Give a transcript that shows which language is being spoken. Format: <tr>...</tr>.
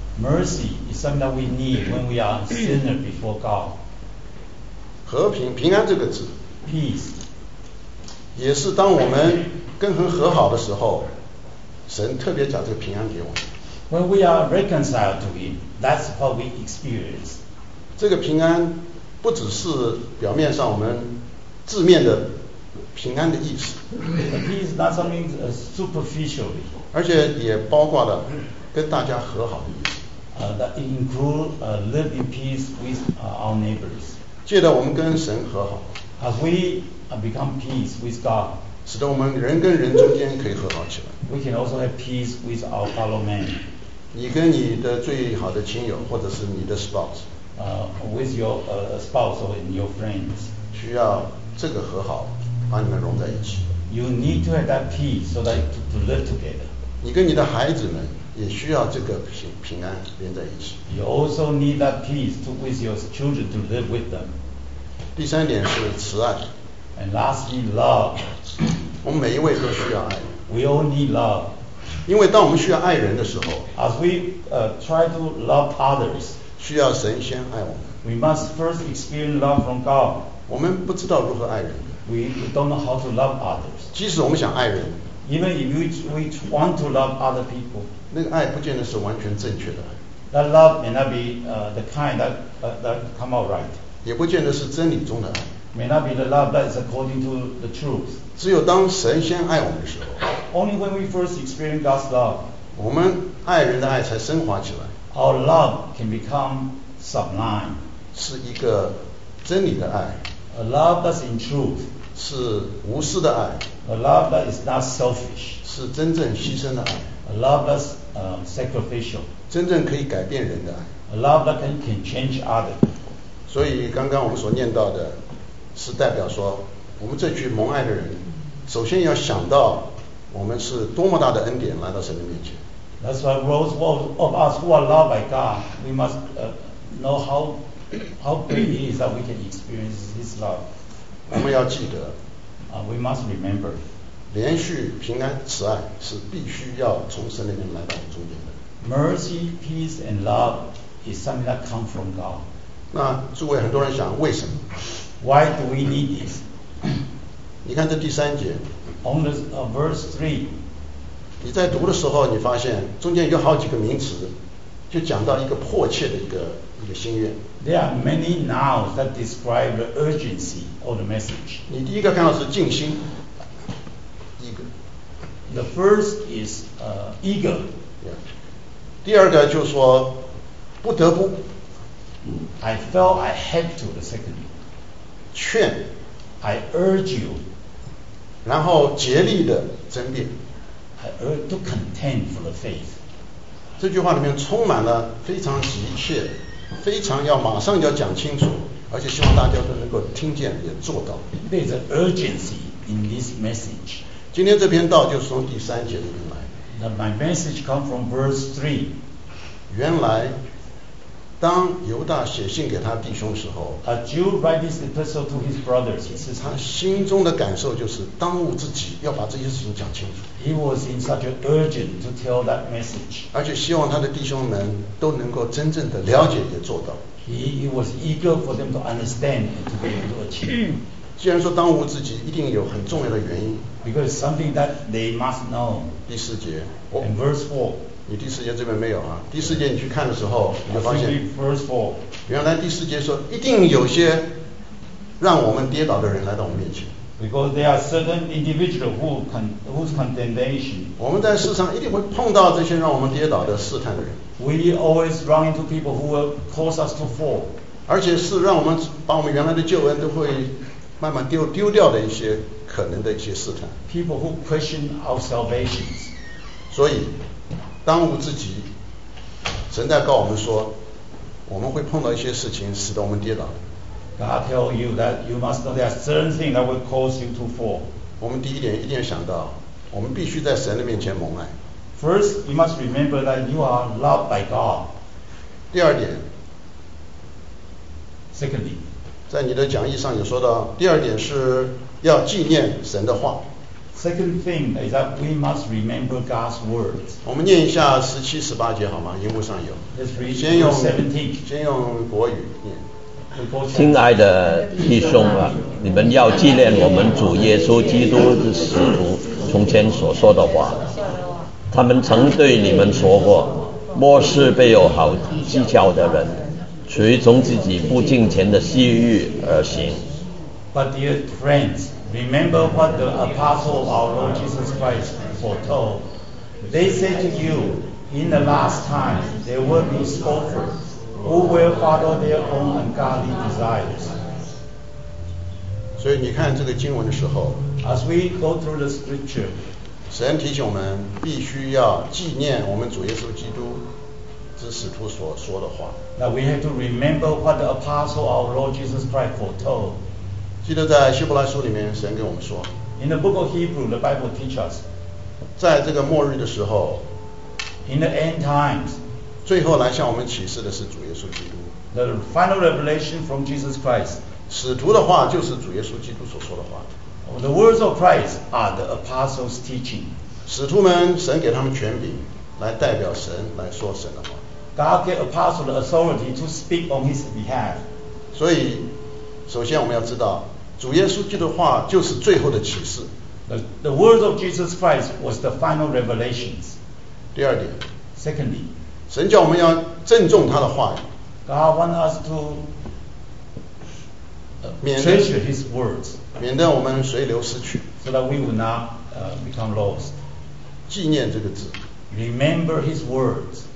<en>Mercy is something that we need when we are sinner before God.</en> <zh>和平平安这个字</zh> <en>，peace，</en> <zh>也是当我们跟神和好的时候，神特别讲这个平安给我们。</zh> <en>When we are reconciled to Him, that's what we experience.</en> <zh>这个平安不只是表面上我们字面的平安的意思。</zh> <en>The peace is not something superficially.</en> <zh>而且也包括了跟大家和好的意思。</zh> <en>That includes living peace with our neighbors.</en> <zh>借着我们跟神和好。</zh> <en>As we become peace with God.</en> <zh>使得我们人跟人中间可以和好起来。</zh> <en>We can also have peace with our fellow man.</en> <zh>你跟你的最好的亲友，或者是你的 spouse.</zh> <en>With your spouse or your friends.</en> <zh>需要这个和好，把你们融在一起。</zh> <en>You need to have that peace so that to live together.</en> <zh>你跟你的孩子们也需要这个平安连在一起。</zh> <en>You also need that peace to with your children to live with them.</en> <zh>第三点是慈爱。</zh> <en>And lastly, love.</en> <zh>我们每一位都需要爱。</zh> <en>We all need love.</en> <zh>因为当我们需要爱人的时候</zh> <en>，As we try to love others,</en> <zh>需要神先爱我们。</zh> <en>We must first experience love from God.</en> <zh>我们不知道如何爱人。</zh> <en>We don't know how to love others.</en> <zh>即使我们想爱人</zh> <en>，Even if we want to love other people,</en> <zh>那个爱不见得是完全正确的爱。</zh> <en>That love may not be the kind that that come out right.</en> <zh>也不见得是真理中的爱。</zh> <en>May not be the love that is according to the truth.</en> <zh>只有当神先爱我们的时候</zh> <en>，Only when we first experience God's love，</en> <zh>我们爱人的爱才升华起来。</zh> <en>Our love can become sublime，</en> <zh>是一个真理的爱。</zh> <en>A love that's in truth，</en> <zh>是无私的爱。</zh> <en>A love that is not selfish，</en> <zh>是真正牺牲的爱。</zh> <en>A love that's sacrificial，</en> <zh>真正可以改变人的爱。</zh> <en>A love that can change others。</en> <zh>所以刚刚我们所念到的。是代表说我们这群蒙爱的人首先要想到我们是多么大的恩典来到神的面前。</zh> <en>That's why those of us who are loved by God, we must know how great it is that we can experience His love.</en> <zh>我们要记得</zh> <en>We must remember</en> <zh>连续平安慈爱是必须要从神里面来到我们中间的。</zh> <en>Mercy, peace and love is something that comes from God.</en> <zh>那诸位很多人想为什么</zh> <en>Why do we need this?</en> <zh>你看这第三节。</zh> <en>On the verse three.</en> <zh>你在读的时候，你发现中间有好几个名词，就讲到一个迫切的一个心愿。</zh> <en>There are many nouns that describe the urgency of the message.</en> <zh>你第一个看到是尽心。一个。</zh> <en>The first is eager.</en> <zh>Yeah. 第二个就是说不得不。</zh> <en>I felt I had to the second.</en> <zh>劝</zh> <en>I urge you</en> <zh>然后竭力的争辩</zh> <en>I urge to contend for the faith</en> <zh>这句话里面充满了非常急切非常要马上要讲清楚而且希望大家都能够听见也做到</zh> <en>There's an urgency in this message</en> <zh>今天这篇道就是从第三节里面来</zh> <en>That my message comes from verse 3</en> <zh>原来当犹大写信给他弟兄的时候</zh> <en>A Jew write this epistle to his brothers</en> <zh>他心中的感受就是当务之急要把这些事情讲清楚</zh> <en>He was in such an urgent to tell that message</en> <zh>而且希望他的弟兄们都能够真正的了解也做到</zh> <en>He was eager for them to understand and to be able to achieve</en> <zh>既然说当务之急一定有很重要的原因</zh> <en>Because something that they must know</en> <zh>第四节</zh> <en>And verse 4</en> <zh>你第四节这边没有啊，第四节你去看的时候你就发现</zh> <en>first four.</en> <zh>原来第四节说一定有些让我们跌倒的人来到我们面前。</zh> <en>Because there are certain individuals who whose condemnation.</en> <zh>我们在世上一定会碰到这些让我们跌倒的试探的人。</zh> <en>We always run into people who will cause us to fall.</en> <zh>而且是让我们把我们原来的救恩都会慢慢丢掉的一些可能的一些试探。</zh> <en>People who question our salvations.</en> <zh>所以，当务之急，神在告我们说，我们会碰到一些事情使得我们跌倒。</zh> <en>God tell you that you must know there are certain things that will cause you to fall.</en> <zh>我们第一点一定要想到，我们必须在神的面前蒙爱。</zh> <en>First, you must remember that you are loved by God.</en> <zh>第二点。</zh> <en>Secondly,</en> <zh>在你的讲义上有说到，第二点是要纪念神的话。</zh> <en>Second thing is that we must remember God's words.</en> <zh>我们念一下十七、十八节好吗？荧幕上有。</zh> <en>Let's read 17.</en> <zh>先用国语念。亲爱的弟兄啊，你们要纪念我们主耶稣基督的使徒从前所说的话。他们曾对你们说过，末世必有好讥诮的人，随从自己不敬虔的私欲而行。</zh> <en>But dear friends, remember what the apostle of our Lord Jesus Christ foretold. They say to you, in the last time there will be scoffers. Who will follow their own ungodly desires?</en> <zh>所以你看这个经文的时候</zh> <en>，As we go through the scripture，</en> <zh>神提醒我们必须要纪念我们主耶稣基督之使徒所说的话。</zh> <en>That we have to remember what the apostle our Lord Jesus Christ foretold。</en> <zh>记得在希伯来书里面，神跟我们说</zh> <en>，In the book of Hebrew, the Bible teaches us，</en> <zh>在这个末日的时候</zh> <en>，In the end times。</en> <zh>最后来向我们启示的是主耶稣基督。</zh> <en>The final revelation from Jesus Christ.</en> <zh>使徒的话就是主耶稣基督所说的话。</zh> <en>The words of Christ are the apostles' teaching.</en> <zh>使徒们，神给他们权柄，来代表神，来说神的话。</zh> <en>God gave apostles the authority to speak on His behalf.</en> <zh>所以，首先我们要知道，主耶稣基督的话就是最后的启示。</zh> <en>The words of Jesus Christ was the final revelations.</en> <zh>第二点。</zh> <en>Secondly.</en> <zh>神叫我们要郑重他的话语。</zh> <en>God wants us to treasure His words，</en> <zh>免得我们随流失去。</zh> <en>So that we will not become lost。</en> <zh>纪念这个字。</zh> <en>Remember His words。</en>